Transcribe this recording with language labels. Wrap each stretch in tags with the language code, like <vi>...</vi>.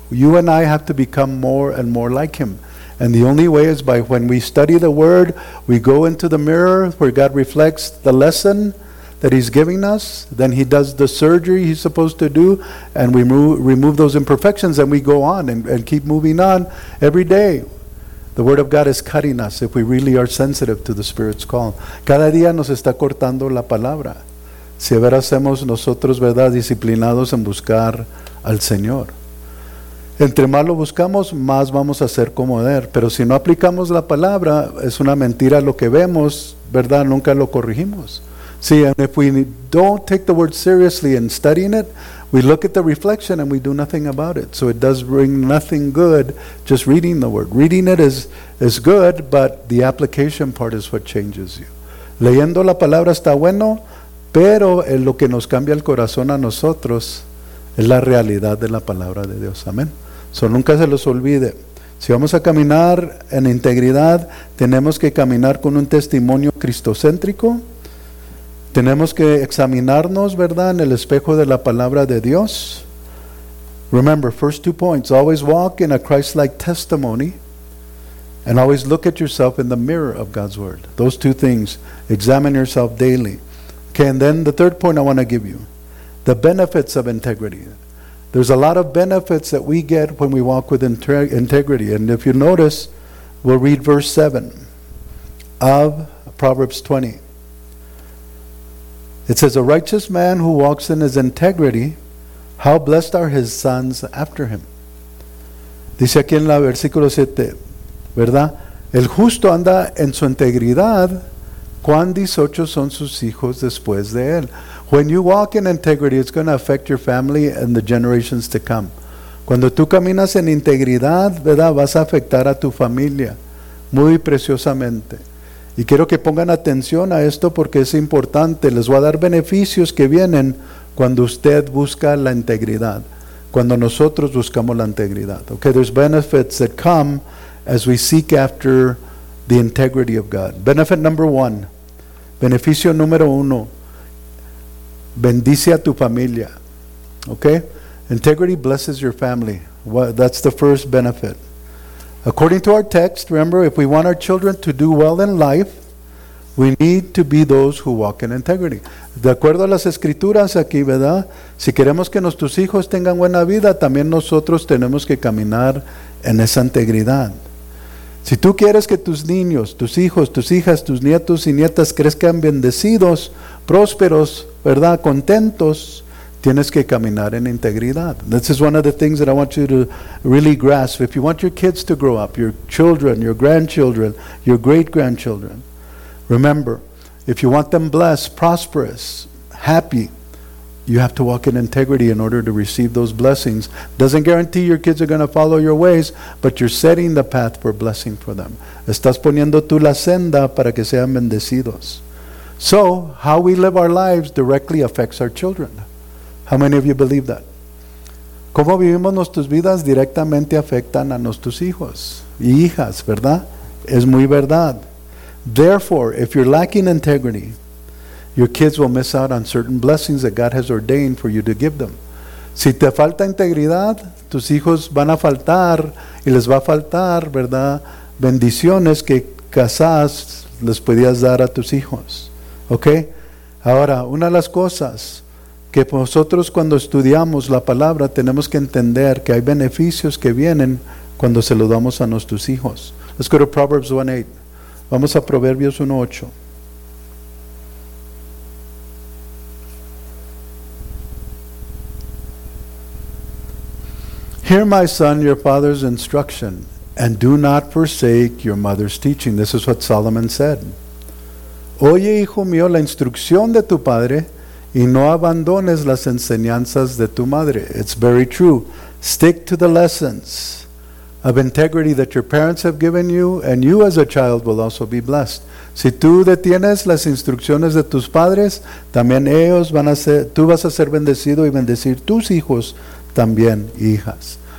<en>You and I have to become more and more like Him. And the only way is by when we study the Word, we go into the mirror where God reflects the lesson that He's giving us, then He does the surgery He's supposed to do, and we remove those imperfections, and we go on and keep moving on every day. The Word of God is cutting us if we really are sensitive to the Spirit's call.</en> <es>Cada día nos está cortando la palabra. Si a ver hacemos nosotros, ¿verdad?, disciplinados en buscar al Señor. Entre más lo buscamos, más vamos a ser como Él. Pero si no aplicamos la palabra, es una mentira lo que vemos, ¿verdad? Nunca lo corregimos.</es> <en>See, and if we don't take the Word seriously in studying it, we look at the reflection and we do nothing about it. So it does bring nothing good just reading the Word. Reading it is good, but the application part is what changes you.</en> <es>Leyendo la palabra está bueno, pero lo que nos cambia el corazón a nosotros es la realidad de la palabra de Dios. Amén. So nunca se los olvide. Si vamos a caminar en integridad, tenemos que caminar con un testimonio cristocéntrico. Tenemos que examinarnos, ¿verdad?, en el espejo de la palabra de Dios.</es> <en>Remember, first two points, always walk in a Christ-like testimony and always look at yourself in the mirror of God's Word. Those two things, examine yourself daily. Okay, and then the third point I want to give you, the benefits of integrity. There's a lot of benefits that we get when we walk with integrity. And if you notice, we'll read verse 7 of Proverbs 20. It says, a righteous man who walks in his integrity, how blessed are his sons after him.</en> <es>Dice aquí en el versículo 7, ¿verdad? El justo anda en su integridad, cuán dichosos son sus hijos después de él.</es> <en>When you walk in integrity, it's going to affect your family and the generations to come.</en> <es>Cuando tú caminas en integridad, ¿verdad? Vas a afectar a tu familia muy preciosamente. Y quiero que pongan atención a esto porque es importante. Les voy a dar beneficios que vienen cuando usted busca la integridad. Cuando nosotros buscamos la integridad.</es> <en>Okay, there's benefits that come as we seek after the integrity of God. Benefit number one.</en> <es>Beneficio número uno. Bendice a tu familia.</es> <en>Okay? Integrity blesses your family. Well, that's the first benefit. According to our text, remember, if we want our children to do well in life, we need to be those who walk in integrity.</en> <es>De acuerdo a las escrituras aquí, ¿verdad? Si queremos que nuestros hijos tengan buena vida, también nosotros tenemos que caminar en esa integridad. Si tú quieres que tus niños, tus hijos, tus hijas, tus nietos y nietas crezcan bendecidos, prósperos, ¿verdad? Contentos, tienes que caminar en integridad.</es> <en>This is one of the things that I want you to really grasp. If you want your kids to grow up, your children, your grandchildren, your great-grandchildren, remember, if you want them blessed, prosperous, happy, you have to walk in integrity in order to receive those blessings. Doesn't guarantee your kids are going to follow your ways, but you're setting the path for blessing for them.</en> <es>Estás poniendo tú la senda para que sean bendecidos.</es> <en>So, how we live our lives directly affects our children. How many of you believe that?</en> <es>¿Cómo vivimos nuestras vidas directamente afectan a nuestros hijos y hijas, verdad? Es muy verdad.</es> <en>Therefore, if you're lacking integrity, your kids will miss out on certain blessings that God has ordained for you to give them.</en> <es>Si te falta integridad, tus hijos van a faltar y les va a faltar, verdad, bendiciones que quizás les podías dar a tus hijos. Okay? Ahora, una de las cosas que nosotros cuando estudiamos la palabra tenemos que entender que hay beneficios que vienen cuando se lo damos a nuestros hijos.</es> <en>Let's go to Proverbs 1:8.</en> <es>Vamos a Proverbios 1:8.</es> <en>Hear, my son, your father's instruction, and do not forsake your mother's teaching. This is what Solomon said.</en> <es>Oye, hijo mío, la instrucción de tu padre, y no abandones las enseñanzas de tu madre.</es> <en>It's very true. Stick to the lessons of integrity that your parents have given you, and you as a child will also be blessed.</en> <es>Si tú detienes las instrucciones de tus padres, también ellos van a ser, tú vas a ser bendecido y bendecir tus hijos también, hijas.</es>